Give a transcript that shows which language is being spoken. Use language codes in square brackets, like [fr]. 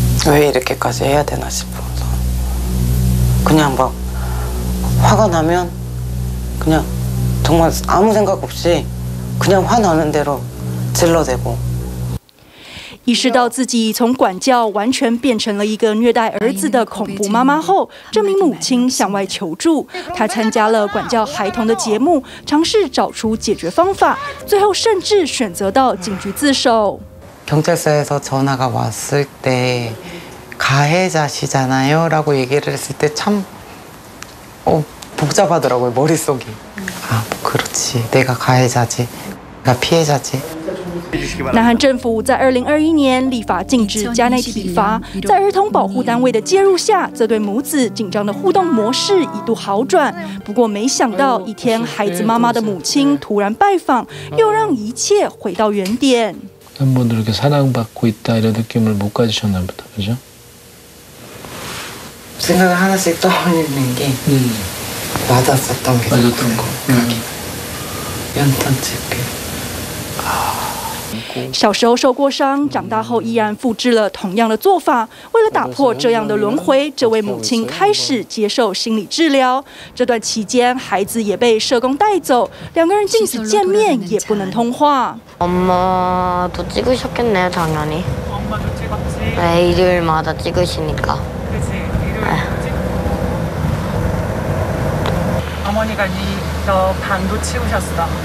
[ko] 왜 이렇게까지 해야 되나 싶어서 그냥 막 화가 나면 그냥 정말 아무 생각 없이 그냥 화나는 대로 질러대고 [zh] 意识到自己从管教完全变成了一个虐待儿子的恐怖妈妈后，这名母亲向外求助。她参加了管教孩童的节目，尝试找出解决方法，最后甚至选择到警局自首。경찰서에서 [ko] 전화가 왔을 때 가해자시잖아요라고 얘기를 했을 때 참 복잡하더라고요 머릿속이. 아 그렇지 내가 가해자지 내가 피해자지. [zh] 南韩政府在2021年立法禁止加奈体罚，在儿童保护单位的介入下，这对母子紧张的互动模式一度好转。不过，没想到一天，孩子妈妈的母亲突然拜访，又让一切回到原点。 [ko] 남분들에게 사랑받고 있다 이런 느낌을 못 가지셨나 보다, 그죠? 생각을 하나씩 떠올리는 게 맞았었던 게 맞았던 거 연탄 찍기. [zh] 小时候受过伤，长大后依然复制了同样的做法。为了打破这样的轮回，这位母亲开始接受心理治疗。这段期间，孩子也被社工带走，两个人即使见面也不能通话。 [ko] 엄마도 찍으셨겠네요, 당연히. 매일마다 찍으시니까. 어머니가 이 저 방도 치우셨어.